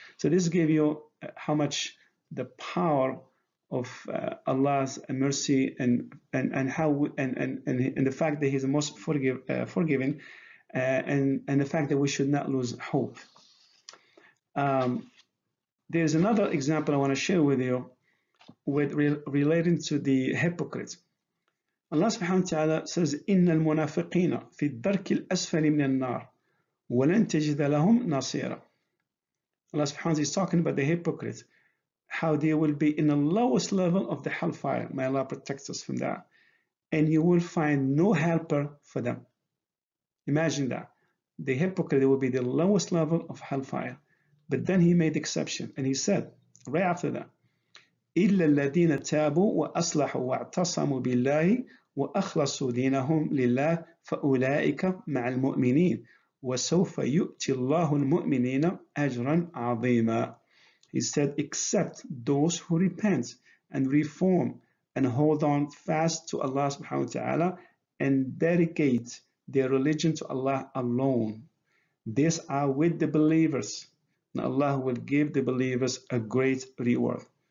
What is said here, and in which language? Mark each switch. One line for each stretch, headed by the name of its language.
English: So this gave you how much the power of Allah's mercy and the fact that he's the most forgiving and the fact that we should not lose hope. There's another example I want to share with you with relating to the hypocrite. Allah subhanahu wa ta'ala says,
Arabic: إِنَّ الْمُنَافِقِينَ فِي الدَّرْكِ الْأَسْفَلِ مِنَ النَّارِ وَلَنْ تَجِدَ لَهُمْ نَصِيرًا.
English: Allah subhanahu wa ta'ala is talking about the hypocrite, how they will be in the lowest level of the hellfire, may Allah protect us from that, and you will find no helper for them. Imagine that. The hypocrite will be the lowest level of hellfire. But then he made exception, and he said, right after that,
Arabic: إِلَّا الَّذِينَ تَابُوا وَأَصْلَحُوا وَاعْتَصَمُوا بِاللَّهِ وَأَخْلَصُوا دِينَهُمْ لِلَّهِ فَأُولَٰئِكَ مَعَ الْمُؤْمِنِينَ وَسَوْفَ يُؤْتِ اللَّهُ الْمُؤْمِنِينَ أَجْرًا عَظِيمًا.
English: He said, except those who repent and reform and hold on fast to Allah subhanahu wa ta'ala and dedicate their religion to Allah alone. These are with the believers. And Allah will give the believers a great reward.